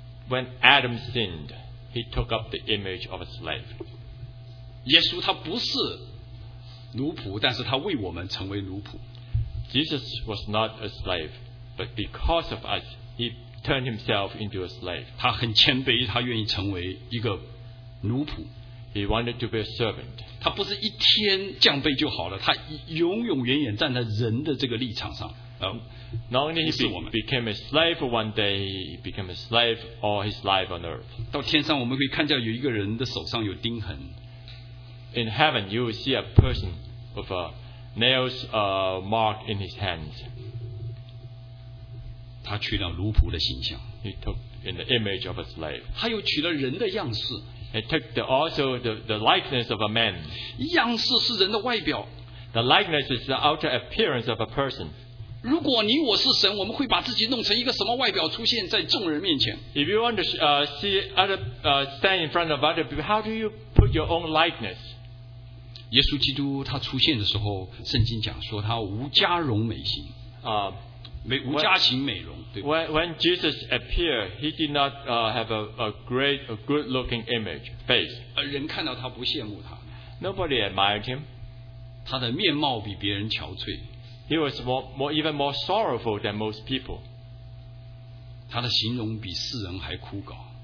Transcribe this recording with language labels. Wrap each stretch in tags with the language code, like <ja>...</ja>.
<en>When Adam sinned, he took up the image of a slave.</en> <zh>耶稣他不是奴仆，但是他为我们成为奴仆。</zh> <en>Jesus was not a slave, but because of us, he turned himself into a slave.</en> <zh>他很谦卑，他愿意成为一个奴仆。</zh> <en>He wanted to be a servant.</en> <zh>他不是一天降卑就好了，他永永远远站在人的这个立场上。</zh> <en>Not only he became a slave one day, he became a slave all his life on earth.</en> <zh>到天上我们可以看到有一个人的手上有钉痕。</zh> <en>In heaven, you will see a person with a nails mark in his hands.</en> <zh>他取了奴仆的形象。</zh> <en>He took in the image of a slave.</en> <zh>他又取了人的样式。</zh> <en>He took also the likeness of a man.</en> <zh>样式是人的外表。</zh> <en>The likeness is the outer appearance of a person.</en> <zh>如果你我是神，我们会把自己弄成一个什么外表出现在众人面前</zh> <en>？If you want to stand in front of other people, how do you put your own likeness?</en> <zh>耶稣基督他出现的时候，圣经讲说他无加容美型啊。</zh> <en>When Jesus appeared, he did not have a good looking image face.</en> <zh>人看到他不羡慕他。</zh> <en>Nobody admired him.</en> <zh>他的面貌比别人憔悴。</zh> <en>He was even more sorrowful than most people.</en> <zh>他的形容比世人还枯槁。</zh>